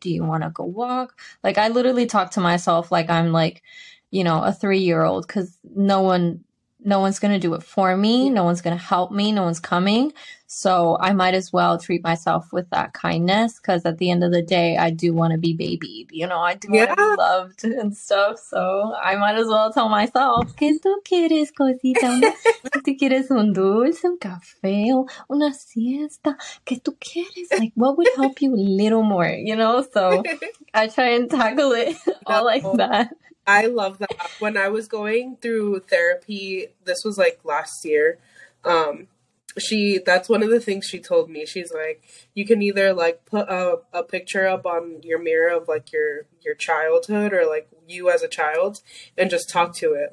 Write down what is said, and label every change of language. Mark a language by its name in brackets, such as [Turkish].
[English] Do you want to go walk? Like, I literally talk to myself like I'm, like, you know, a 3-year-old, because no one's going to do it for me. No one's going to help me. No one's coming. So I might as well treat myself with that kindness, because at the end of the day, I do want to be babied. You know, I do want to be loved and stuff. So I might as well tell myself, [Spanish] ¿Qué tú quieres, cosita? ¿Tú quieres un dulce, un café, una siesta? ¿Qué tú quieres? [English] Like, what would help you a little more? You know, so I try and tackle it all like that. I love that. When I was going through therapy, this was like last year, that's one of the things she told me. She's like, you can either, like, put a picture up on your mirror of, like, your childhood, or, like, you as a child, and just talk to it.